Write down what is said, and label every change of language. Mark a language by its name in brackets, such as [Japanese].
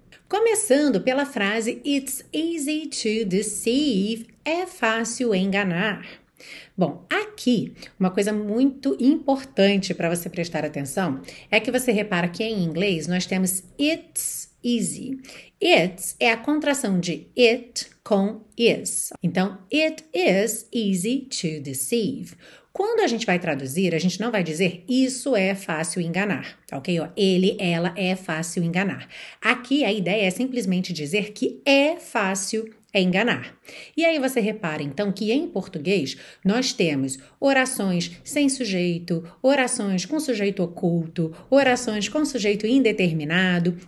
[Portuguese] Começando pela frase [English] It's easy to deceive. [Portuguese] É fácil enganar. Bom, aqui, uma coisa muito importante para você prestar atenção é que você repara que em inglês nós temos it's easy. It's é a contração de it com is. [English] Então, it is easy to deceive. [Portuguese] Quando a gente vai traduzir, a gente não vai dizer isso é fácil enganar, ok? Ele, ela é fácil enganar. Aqui a ideia é simplesmente dizer que é fácil enganar. E aí você repara então que em português nós temos orações sem sujeito, orações com sujeito oculto, orações com sujeito indeterminado.